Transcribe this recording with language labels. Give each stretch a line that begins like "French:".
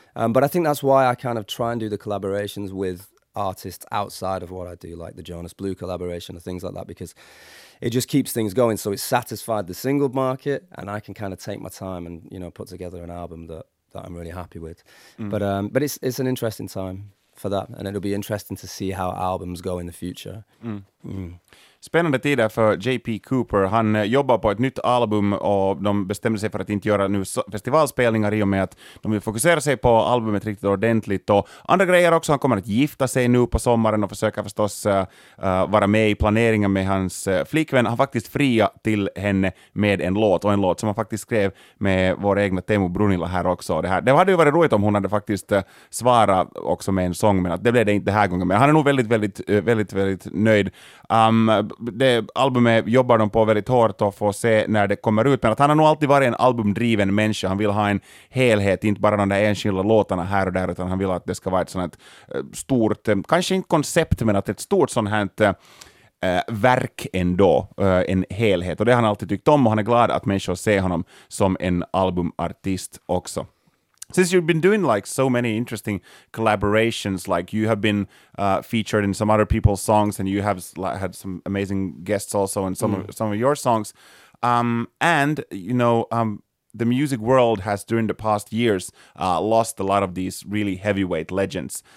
English: But I think that's why I kind of try and do the collaborations with artists outside of what I do, like the Jonas Blue collaboration and things like that, because it just keeps things going. So it satisfied the single market and I can kind of take my time and, you know, put together an album that I'm really happy with. But it's an interesting time for that, and it'll be interesting to see how albums go in the future.
Swedish: Spännande tider för JP Cooper. Han jobbar på ett nytt album och de bestämde sig för att inte göra nu festivalspelningar i och med att de vill fokusera sig på albumet riktigt ordentligt. Och andra grejer också, han kommer att gifta sig nu på sommaren och försöka förstås vara med i planeringen med hans flickvän. Han faktiskt fria till henne med en låt, och en låt som han faktiskt skrev med vår egna Teemu Brunila här också. Det hade ju varit roligt om hon hade faktiskt svarat också med en sång, men det blev det inte här gången. Men han är nog väldigt, väldigt, väldigt, väldigt nöjd. Det albumet jobbar de på väldigt hårt och får se när det kommer ut, men att han har nog alltid varit en albumdriven människa. Han vill ha en helhet, inte bara de där enskilda låtarna här och där, utan han vill att det ska vara ett sånt stort, kanske inte koncept, men att ett stort sånt här verk ändå, en helhet. Och det har han alltid tyckt om, och han är glad att människor ser honom som en albumartist också.
English: Since you've been doing like so many interesting collaborations, like you have been featured in some other people's songs, and you have had some amazing guests also in some of your songs, and you know, the music world has during the past years lost a lot of these really heavyweight legends.